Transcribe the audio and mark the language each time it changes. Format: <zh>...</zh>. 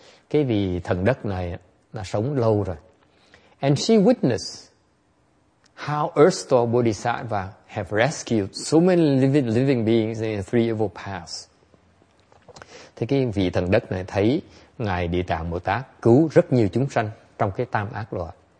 <vi>Cái vị thần đất này đã sống lâu rồi.</vi> <en>And she witnessed how Earth-Store Bodhisattva have rescued so many living beings in three evil paths.</en> <vi>Thế cái vị thần đất này thấy Ngài Địa Tạng Bồ Tát cứu rất nhiều chúng sanh trong cái tam ác loại.</vi>